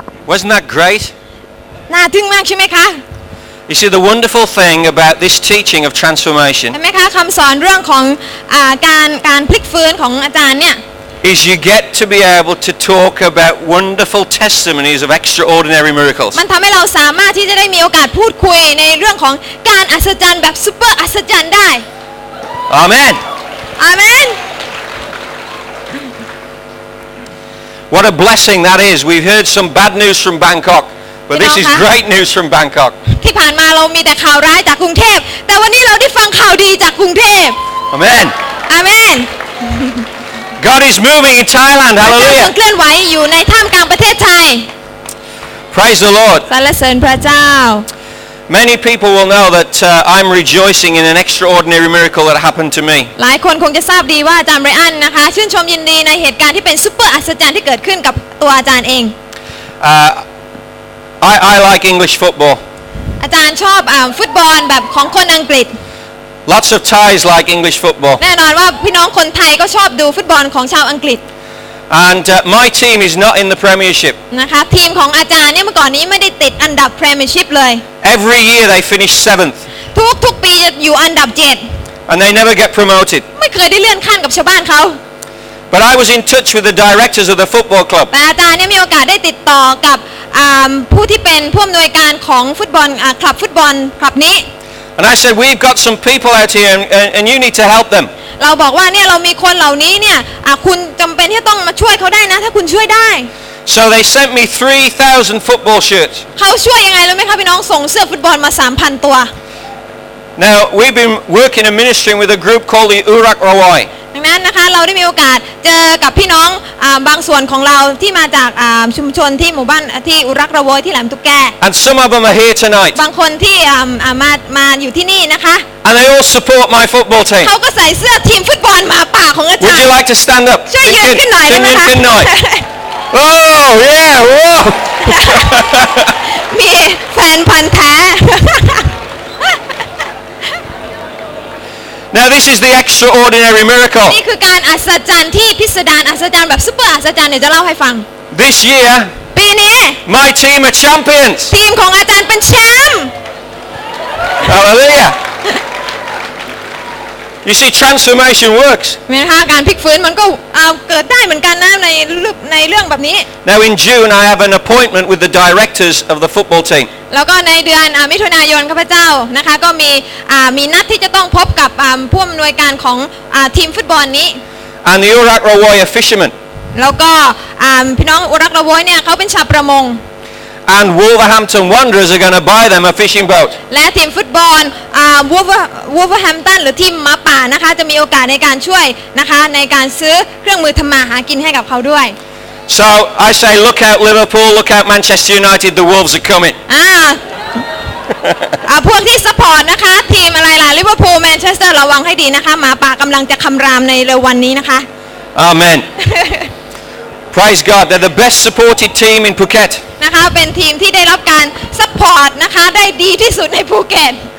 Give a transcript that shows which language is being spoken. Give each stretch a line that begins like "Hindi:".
English: Wasn't that great?
Thai: น่าทึ่งมากใช่ไหมคะ
English: You see the wonderful thing about this teaching of transformation.
Thai: เห็นไหมคะคำสอนเรื่องของการพลิกฟื้นของอาจารย์เนี่ย
English: Is you get to be able to talk about wonderful testimonies of extraordinary miracles.
Thai: มันทำให้เราสามารถที่จะได้มีโอกาสพูดคุยในเรื่องของการอัศจรรย์แบบซูเปอร์อัศจรรย์ได้
English: Amen. Amen. What a blessing that is. We've heard some bad news from Bangkok, but this is great news from Bangkok.
Thai: ที่ผ่านมาเรามีแต่ข่าวร้ายจากกรุงเทพแต่วันนี้เราได้ฟังข่าวดีจากกรุงเทพ
English: Amen. Amen. God is moving in Thailand. Hallelujah.
Thai: พระเจ้าเคลื่อนไหวอยู่ในท่ามกลางประเทศไทย
English: Praise the Lord.
Thai: สรรเสริญพระเจ้า
English: Many people will know that I'm rejoicing in an extraordinary miracle that happened to me.
Thai: หลายคนคงจะทราบดีว่าอาจารย์ไรอันนะคะชื่นชมยินดีในเหตุการณ์ที่เป็นซุปเปอร์อัศจรรย์ที่เกิดขึ้นกับตัวอาจารย์เอง
English: I like English football.
Thai: อาจารย์ชอบฟุตบอลแบบของคนอังกฤษ
English: Lots of Thais like English football.
Thai: แน่นอนว่าพี่น้องคนไทยก็ชอบดูฟุตบอลของชาวอังกฤษ
English: And my team is not in the Premiership.
Thai: นะคะทีมของอาจารย์เนี่ยเมื่อก่อนนี้ไม่ได้ติดอันดับ Premiership เลย
English: Every year they finish 7th.
Thai: ทุกปีอยู่อันดับ7
English: And they never get promoted.
Thai: ไม่เคยได้เลื่อนขั้นกับชาวบ้านเขา
English: But I was in touch with the directors of the football club.
Thai: อาจารย์เนี่ยมีโอกาสได้ติดต่อกับผู้ที่เป็นผู้อำนวยการของฟุตบอลคลับฟุตบอลคลับนี้
English: And I said we've got some people out here and you need to help them.
Thai: เราบอกว่าเนี่ยเรามีคนเหล่านี้เนี่ยคุณจําเป็นที่ต้องมาช่วยเขาได้นะถ้าคุณช่วยได้
English: So they sent me 3,000 football shirts.
Thai: เขาช่วยยังไงรู้มั้ยคะพี่น้องส่งเสื้อฟุตบอลมา 3,000 ตัว
English: Now we've been working and ministering with a group called the Urak Rawai.
Thai: ดังนั้นนะคะเราได้มีโอกาสเจอกับพี่น้องบางส่วนของเราที่มาจากชุมชนที่หมู่บ้านที่อุรักระวอยที่แหลมตุกแก
English: And some of them are here tonight.
Thai: บางคนที่มาอยู่ที่นี่นะคะ
English: And they all support my football team.
Thai: เขาก็ใส่เสื้อทีมฟุตบอลมาป่าของอาจารย์
English: Would you like to stand up?
Thai: ช่วยยืนขึ้นหน่อยได้มั้ยคะ
English: Oh yeah! Whoa!
Thai: มีแฟนพันธุ์แท้
English: Now this is the extraordinary miracle.
Thai: นี่คือการอัศจรรย์ที่พิสดารอัศจรรย์แบบซุปเปอร์อัศจรรย์เดี๋ยวจะเล่าให้ฟัง
English: This year.
Thai: ปีนี้
English: My team are champions.
Thai: ทีมของอาจารย์เป็นแชมป์
English: Hallelujah! You see, transformation works.
Thai: เห็นไหมคะการพลิกฟื้นมันก็เกิดได้เหมือนกันนะในเรื่องแบบนี้
English: Now in June, I have an appointment with the directors of the football team.
Thai: แล้วก็ในเดือนมิถุนายนข้าพเจ้านะคะก็มีนัดที่จะต้องพบกับผู้อำนวยการของทีมฟุตบอลนี้
English: And the Urak Rawai are fishermen.
Thai: แล้วก็พี่น้องอุรักระวอยเนี่ยเขาเป็นชาวประมง
English: and Wolverhampton Wanderers are going to buy them a fishing boat.
Thai: และทีมฟุตบอล Wolverhampton หรือทีมหมาป่านะคะจะมีโอกาสในการช่วยนะคะในการซื้อเครื่องมือทำมาหากินให้กับเขาด้วย
English: So I say look out Liverpool, look out Manchester United, the Wolves are coming.
Thai: พวกที่ซัพพอร์ตนะคะทีมอะไรล่ะลิเวอร์พูลแมนเชสเตอร์ระวังให้ดีนะคะหมาป่ากำลังจะคำรามในเร็ววันนี้นะคะ
English: อาเมน Praise God they're the best supported team in Phuket
Thai: นะคะเป็นทีมที่ได้รับการซัพพอร์ตนะคะได้ดีที่สุดในภูเก็ต